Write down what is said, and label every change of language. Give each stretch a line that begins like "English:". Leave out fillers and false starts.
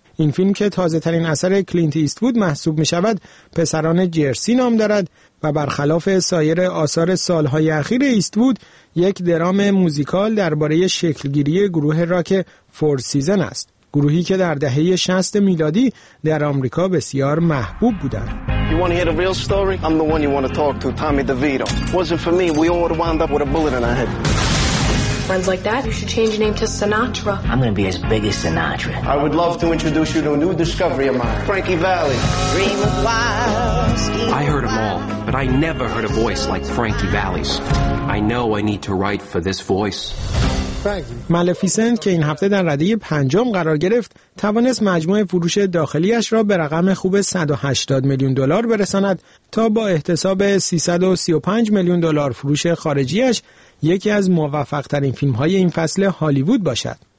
Persian: این فیلم که تازه ترین اثر کلینت ایستوود محسوب می شود پسران جرسی نام دارد و برخلاف سایر آثار سالهای اخیر ایستوود یک درام موزیکال درباره شکلگیری گروه راک فور سیزن است، گروهی که در دهه 60 میلادی در آمریکا بسیار محبوب بودند.
English: You want to hear the real story? I'm the one you want to talk to, Tommy DeVito. Wasn't for me, we all would have wound up with a bullet in our head. Friends like that, you should change your name to Sinatra. I'm going to be as big as Sinatra. I would love to introduce you to a new discovery of mine, Frankie Valli. Dream of wild. I heard them all, but I never heard a voice like Frankie Valli's. I know I need to write for this voice.
Persian: مالفیسنت که این هفته در رده پنجم قرار گرفت توانست مجموع فروش داخلیش را به رقم خوب 180 میلیون دلار برساند تا با احتساب 335 میلیون دلار فروش خارجیش یکی از موفق‌ترین فیلم‌های این فصل هالیوود باشد.